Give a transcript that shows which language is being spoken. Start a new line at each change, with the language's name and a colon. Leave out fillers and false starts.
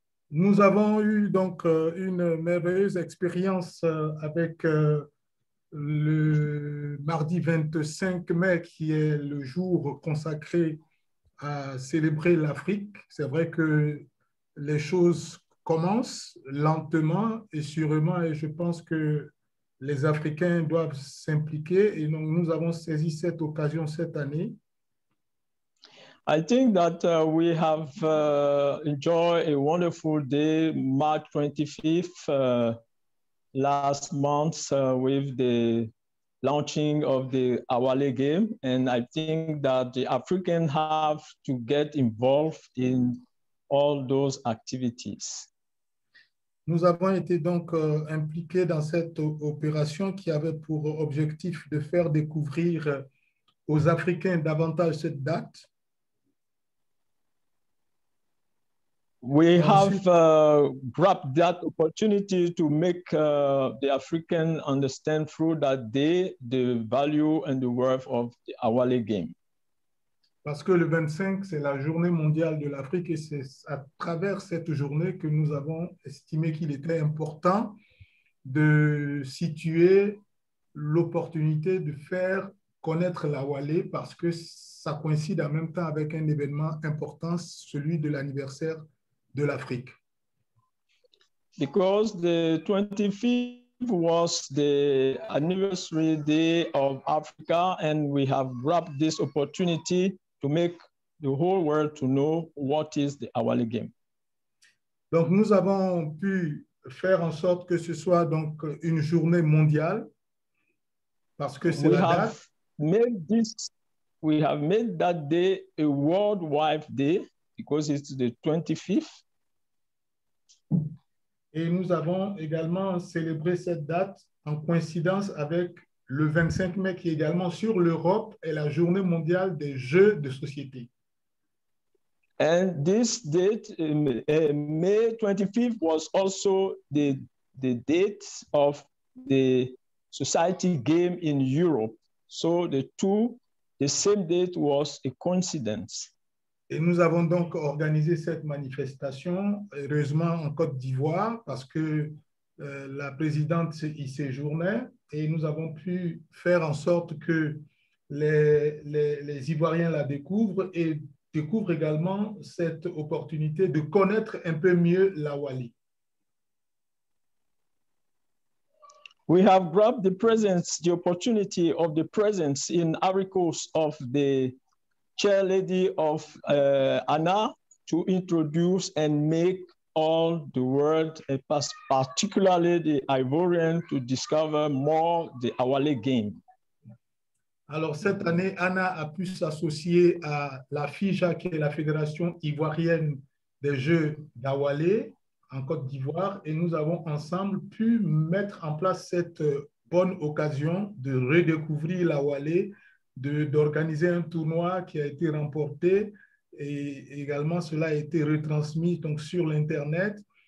French: Nous avons eu donc une merveilleuse expérience avec le mardi 25 mai, qui est le jour consacré à célébrer l'Afrique. C'est vrai que les choses commencent lentement et sûrement, et je pense que les Africains doivent s'impliquer. Et donc, nous avons saisi cette occasion cette année.
English: I think that we have enjoyed a wonderful day, March 25th, last month, with the launching of the Awale game. And I think that the Africans have to get involved in all those activities.
French: Nous avons été donc impliqués dans cette opération qui avait pour objectif de faire découvrir aux Africains davantage cette date.
English: We have grabbed that opportunity to make the Africans understand through that day the value and the worth of the Awale game.
French: Parce que le 25, c'est la journée mondiale de l'Afrique et c'est à travers cette journée que nous avons estimé qu'il était important de situer l'opportunité de faire connaître l'Awale parce que ça coïncide en même temps avec un événement important, celui de l'anniversaire de l'Afrique.
English: Because the 25th was the anniversary day of Africa and we have grabbed this opportunity to make the whole world to know what is the Awale game.
French: Donc nous avons pu faire en sorte que ce soit donc une journée mondiale parce que c'est
English: we
French: la
English: have date. Made this, we have made that day a worldwide day because it's the 25th.
French: Et nous avons également célébré cette date en coïncidence avec le 25 mai qui est également sur l'Europe et la journée mondiale des jeux de société.
English: And this date, May 25th, was also the date of the society game in Europe. So the two, the same date was a coincidence.
French: Et nous avons donc organisé cette manifestation, heureusement en Côte d'Ivoire, parce que la présidente y séjournait, et nous avons pu faire en sorte que les Ivoiriens la découvrent et découvrent également cette opportunité de connaître un peu mieux la Wali.
English: We have grabbed the presence, the opportunity of the presence in Ivory Coast of the Chair Lady of ANA to introduce and make all the world, particularly the Ivorian, to discover more the Awale game.
French: Alors cette année, ANA a pu s'associer à la FIJA, qui est la Fédération Ivoirienne des Jeux d'Awale en Côte d'Ivoire, et nous avons ensemble pu mettre en place cette bonne occasion de redécouvrir l'Awale, d'organiser un tournoi qui a été remporté et également cela a été retransmis donc sur l'Internet.